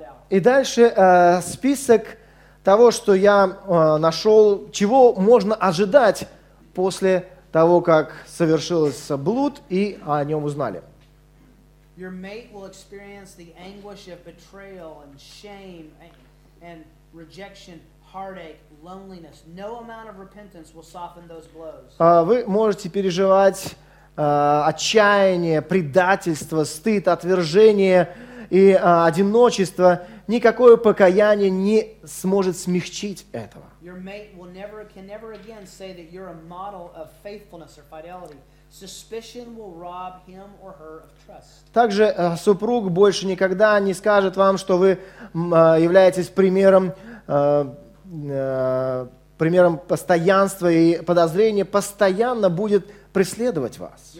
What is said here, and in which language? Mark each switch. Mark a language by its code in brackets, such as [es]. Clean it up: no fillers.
[ru] И дальше список того, что я нашел, чего можно ожидать после того, как совершился блуд и о нем узнали. [en] Your mate will experience the anguish of betrayal and shame and rejection, heartache, loneliness. No amount of repentance will soften those blows. [ru] Вы можете переживать отчаяние, предательство, стыд, отвержение и одиночество. Никакое покаяние не сможет смягчить этого. [en] Your mate will never, can never again say that you're a model of faithfulness or fidelity. Suspicion will rob him or her of trust. [ru] Также супруг больше никогда не скажет вам, что вы являетесь примером постоянства, и подозрение постоянно будет преследовать вас.